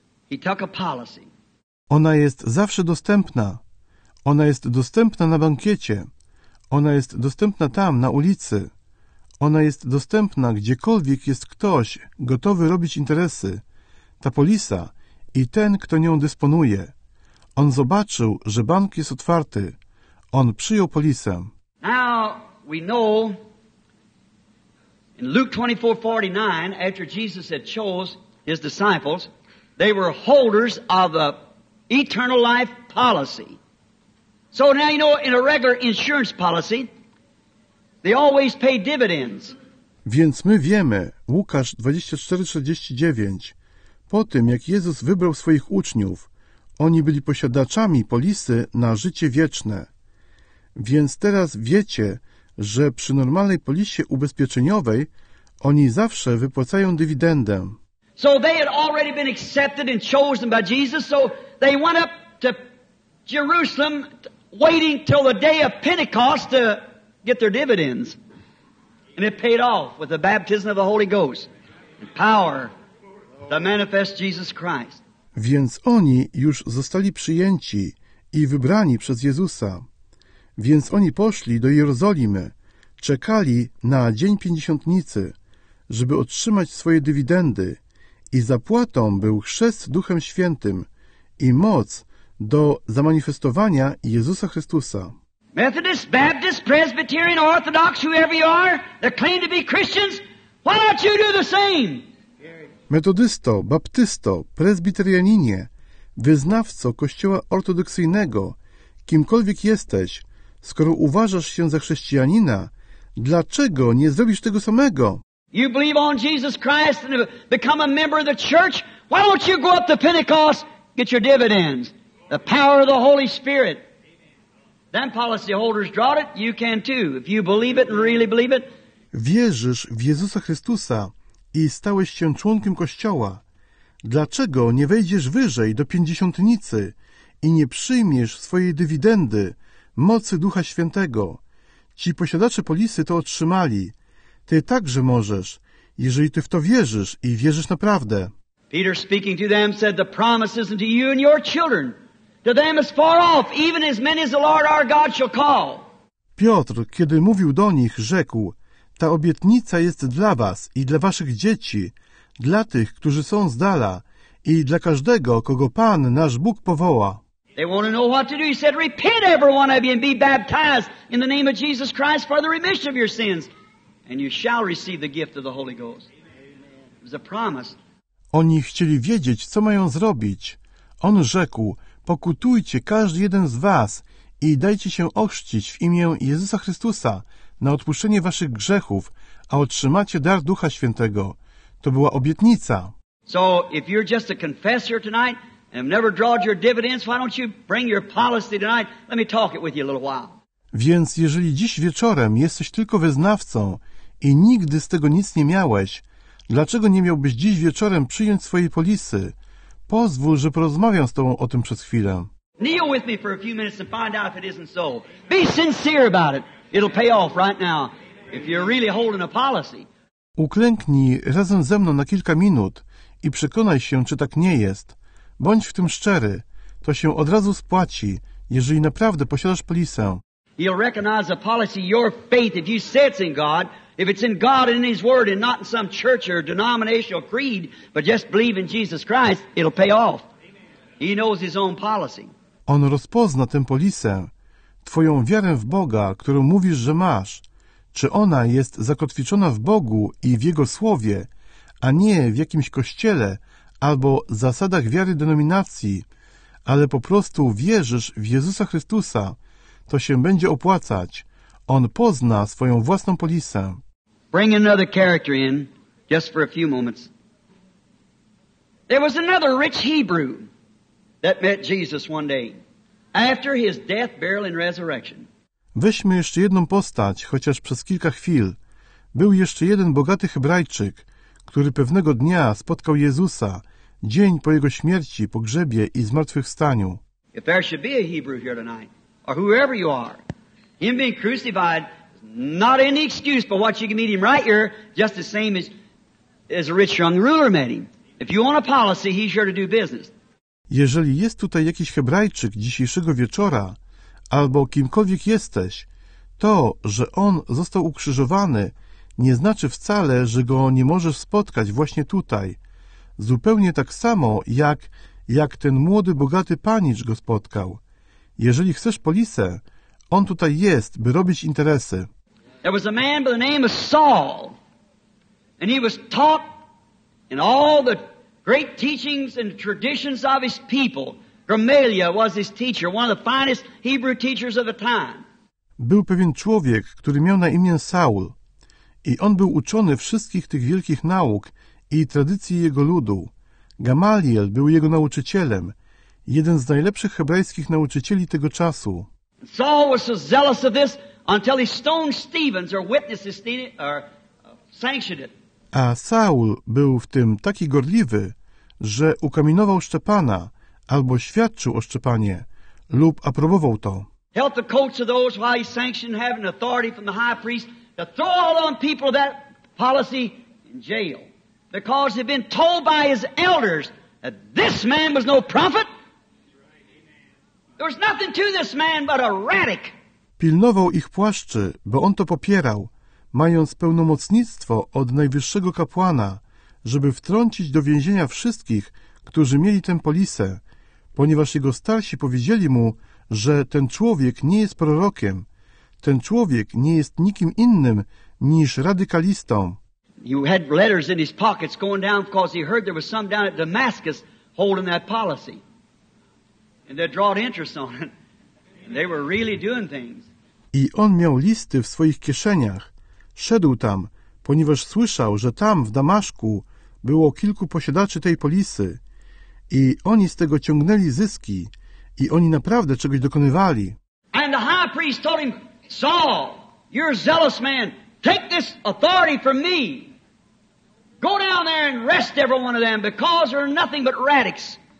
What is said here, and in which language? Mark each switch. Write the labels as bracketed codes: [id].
[en] He took a policy. [pl] Ona jest zawsze dostępna. Ona jest dostępna na bankiecie. Ona jest dostępna tam, na ulicy. Ona jest dostępna, gdziekolwiek jest ktoś gotowy robić interesy. Ta polisa i ten, kto nią dysponuje. On zobaczył, że bank jest otwarty. On przyjął polisę. [en] Now we know in Luke 24:49, after Jesus had chose his disciples, they were holders of the eternal life policy. So now you know in a regular insurance policy, they always pay dividends. [pl] Więc my wiemy, Łukasz 24:49, po tym jak Jezus wybrał swoich uczniów, oni byli posiadaczami polisy na życie wieczne. Więc teraz wiecie, że przy normalnej polisie ubezpieczeniowej oni zawsze wypłacają dywidendę. [en] So they had already been accepted and chosen by Jesus, so they went up to Jerusalem waiting till the day of Pentecost to get their dividends. And it paid off with the baptism of the Holy Ghost and power to manifest Jesus Christ. [pl] Więc oni już zostali przyjęci i wybrani przez Jezusa. Więc oni poszli do Jerozolimy, czekali na dzień Pięćdziesiątnicy, żeby otrzymać swoje dywidendy, i zapłatą był chrzest Duchem Świętym i moc do zamanifestowania Jezusa Chrystusa. [en] Methodist, Baptist, Presbyterian, Orthodox, whoever you are, that claim to be Christians, why don't you do the same? [pl] Metodysto, baptysto, prezbiterianinie, wyznawco kościoła ortodoksyjnego, kimkolwiek jesteś, skoro uważasz się za chrześcijanina, dlaczego nie zrobisz tego samego? [en] You believe on Jesus Christ and have become a member of the church? Why don't you go up to Pentecost, get your dividends, the power of the Holy Spirit? Them policy holders draw it, you can too, if you believe it and really believe it. [pl] Wierzysz w Jezusa Chrystusa i stałeś się członkiem Kościoła. Dlaczego nie wejdziesz wyżej do Pięćdziesiątnicy i nie przyjmiesz swojej dywidendy, mocy Ducha Świętego? Ci posiadacze polisy to otrzymali. Ty także możesz, jeżeli ty w to wierzysz i wierzysz naprawdę. [en] Peter speaking to them said, the promise isn't to you and your children. To them is far off, even as many as the Lord our God shall call. [pl] Piotr, kiedy mówił do nich, rzekł, ta obietnica jest dla was i dla waszych dzieci, dla tych, którzy są z dala i dla każdego, kogo Pan, nasz Bóg, powoła. [en] They want to know what to do. He said, repent every one of you and be baptized in the name of Jesus Christ for the remission of your sins. And you shall receive the gift of the Holy Ghost. It was a promise. [pl] Oni chcieli wiedzieć, co mają zrobić. On rzekł, pokutujcie każdy jeden z was i dajcie się ochrzcić w imię Jezusa Chrystusa na odpuszczenie waszych grzechów, a otrzymacie dar Ducha Świętego. To była obietnica. [en] So if you're just a confessor tonight and have never drawn your dividends, why don't you bring your policy tonight? Let me talk it with you a little while. [pl] Więc jeżeli dziś wieczorem jesteś tylko wyznawcą i nigdy z tego nic nie miałeś, dlaczego nie miałbyś dziś wieczorem przyjąć swojej polisy? Pozwól, że porozmawiam z tobą o tym przez chwilę. [en] Kneel with me for a few minutes and find out if it isn't so. Be sincere about it. It'll pay off right now if you're really holding a policy. [pl] Uklęknij razem ze mną na kilka minut i przekonaj się, czy tak nie jest. Bądź w tym szczery. To się od razu spłaci, jeżeli naprawdę posiadasz polisę. [en] He'll recognize the policy, your faith, if you say it's in God, if it's in God and in His Word and not in some church or denominational creed, but just believe in Jesus Christ, it'll pay off. He knows His own policy. [pl] On rozpozna tę polisę, twoją wiarę w Boga, którą mówisz, że masz. Czy ona jest zakotwiczona w Bogu i w Jego Słowie, a nie w jakimś kościele albo zasadach wiary denominacji, ale po prostu wierzysz w Jezusa Chrystusa, to się będzie opłacać. On pozna swoją własną polisę. [en] Bring another character in, just for a few moments. There was another rich Hebrew that met Jesus one day after his death, burial and resurrection. [pl] Weźmy jeszcze jedną postać, chociaż przez kilka chwil. Był jeszcze jeden bogaty Hebrajczyk, który pewnego dnia spotkał Jezusa, dzień po jego śmierci, pogrzebie i zmartwychwstaniu. [en] If there should be a Hebrew here tonight, or whoever you are, him being crucified is not any excuse for what you can meet him right here, just the same as a rich young ruler met him. If you want a policy, he's here to do business. [pl] Jeżeli jest tutaj jakiś Hebrajczyk dzisiejszego wieczora, albo kimkolwiek jesteś, to, że on został ukrzyżowany, nie znaczy wcale, że go nie możesz spotkać właśnie tutaj. Zupełnie tak samo, jak ten młody, bogaty panicz go spotkał. Jeżeli chcesz polisę, on tutaj jest, by robić interesy. [en] There was a man by the name of Saul, and he was taught in all the great teachings and traditions of his people. Gamaliel was his teacher, one of the finest Hebrew teachers of the time. [pl] Był pewien człowiek, który miał na imię Saul, i on był uczony wszystkich tych wielkich nauk i tradycji jego ludu. Gamaliel był jego nauczycielem, jeden z najlepszych hebrajskich nauczycieli tego czasu. [en] Saul was so zealous of this until he stoned Stephen, or witnesses or sanctioned it. [pl] A Saul był w tym taki gorliwy, że ukamienował Szczepana, albo świadczył o Szczepanie, lub aprobował to. [en] Held the coats of those while he sanctioned having authority from the high priest to throw all on people of that policy in jail. Because they've been told by his elders that this man was no prophet. There was nothing to this man but a radic. [pl] Pilnował ich płaszczy, bo on to popierał, mając pełnomocnictwo od najwyższego kapłana, żeby wtrącić do więzienia wszystkich, którzy mieli tę polisę, ponieważ jego starsi powiedzieli mu, że ten człowiek nie jest prorokiem, ten człowiek nie jest nikim innym niż radykalistą. [en] You had letters in his pockets going down because he heard there was some down at Damascus holding that policy. And they drawed interest on it. They were really doing things. [pl] I on miał listy w swoich kieszeniach. Szedł tam, ponieważ słyszał, że tam w Damaszku było kilku posiadaczy tej polisy. I oni z tego ciągnęli zyski. I oni naprawdę czegoś dokonywali. [en] And the high priest told him, Saul, you're a zealous man. Take this authority from me. Go down there and arrest every one of them because they're nothing but radics.